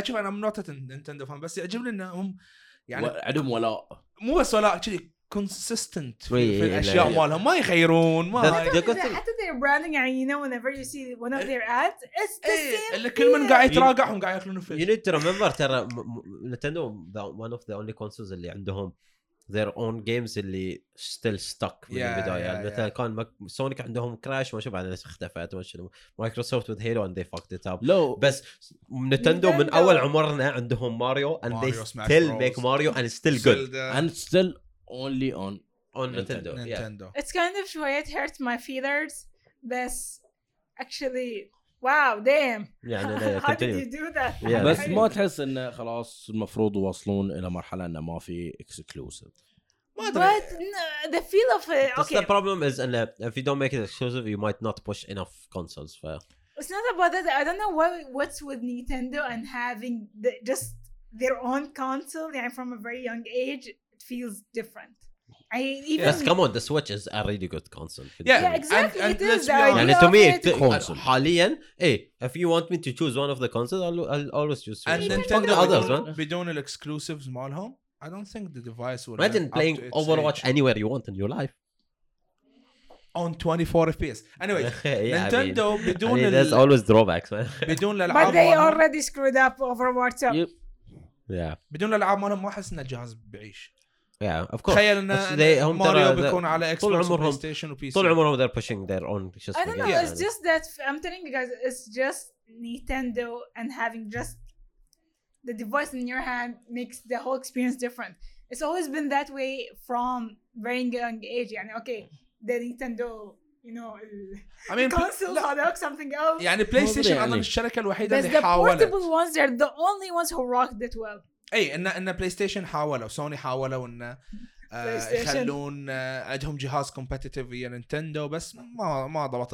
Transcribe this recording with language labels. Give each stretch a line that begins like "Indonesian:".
Arabic: اشوف انا منوتة نينتندو فان, بس يعجبني انهم يعني عندهم ولاء, مو بس ولاء, كذي consistent في الأشياء مالهم, ما يغيرون, ما
English: حتى their branding, يعني you know whenever you see one of their ads, it's the same.
Arabic: اللي كل من قاعد يتراجعهم قاعد يأكلون فيه.
English: You need to remember
Arabic: ترى نينتندو
English: one of the only consoles
Arabic: اللي عندهم
English: their own games اللي still stuck
Arabic: من البداية. مثلا كان سونيك عندهم كراش وما شو بعدين اختفت, وما شو مايكروسوفت
English: with Halo and they fucked it up.
Arabic: لو بس نينتندو من أول عمرنا عندهم ماريو
English: and they still make Mario and still good and still only on Nintendo. Yeah. It's kind of why it hurts my feelings. This actually, wow, damn. Yeah, no, how did you do that? Yeah.
Arabic: بس ما تحس إن خلاص المفروض وصلون إلى مرحلة إن ما في exclusive. ما أدري.
English: But the feel of it. Okay. The problem is, and if you don't make it exclusive, you might not push enough consoles. For... It's not about that. I don't know what's with Nintendo and having the, just their own console. Yeah, from a very young age. Feels different. I even. Yes, come on. The Switch is a really good console. Yeah, yeah, exactly. And to me, حالياً, hey, if you want me to choose one of the consoles, I'll always choose Switch. And Nintendo, the others, man. We don't have exclusives, small home. I don't think the device would. Imagine playing Overwatch age. Anywhere you want in your life. On 24 FPS. Anyway, Nintendo,
Arabic: بدون.
English: There's always drawbacks, man.
Arabic: بدون الألعاب.
English: But they already screwed up Overwatch. Yeah.
Arabic: بدون الألعاب مالهم ما أحس إن الجهاز بعيش.
English: Yeah, of course.
Arabic: تخيل ان ماريو بيكون على اكس بوكس وبلاي ستيشن وبي سي. طول عمرهم
English: they're pushing their own. I don't know, it's just that I'm telling you guys, it's just Nintendo and having just the device in your hand makes the whole experience different. It's always been that way from very young age. يعني okay, the Nintendo, you know, I mean, console or something else.
Arabic: يعني بلاي ستيشن انا الشركه الوحيده اللي حاولت.
English: But the portable ones, they're the only ones who rocked it well.
Arabic: اي ان بلاي ستيشن حاولوا, سوني حاولوا ان يخلون عندهم جهاز كومبتيتيف ويا نينتندو, بس ما ضبط